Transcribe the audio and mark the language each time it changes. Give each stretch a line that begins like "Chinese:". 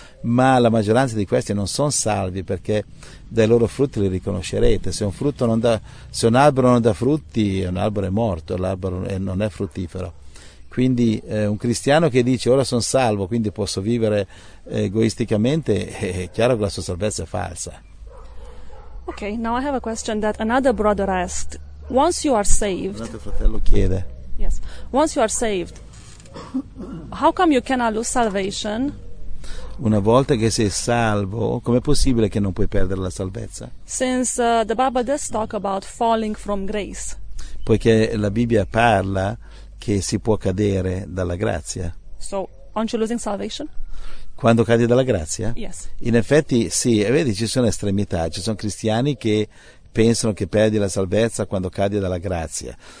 Italian: Ma la maggioranza di questi non sono salvi, perché dai loro frutti li riconoscerete. Se un albero non dà frutti, un albero è morto, l'albero non è fruttifero. Quindi un cristiano che dice ora sono salvo, quindi posso vivere egoisticamente, è chiaro che la sua salvezza è falsa.
English: Okay, now I have a question that another brother asked. Once you are saved.
Italian: Un altro fratello chiede.
English: Yes. Once you are saved, how come you cannot lose salvation?
Italian: Una volta che sei salvo, com'è possibile che non puoi perdere la salvezza?
English: Since the Bible does talk about falling from grace.
Italian: Poiché la Bibbia parla che si può cadere dalla grazia.
English: So, aren't you losing salvation?
Italian: Quando cadi dalla grazia?
English: Yes.
Italian: In effetti sì, e vedi, ci sono estremità, ci sono cristiani che pensano che perdi la salvezza quando cadi dalla grazia.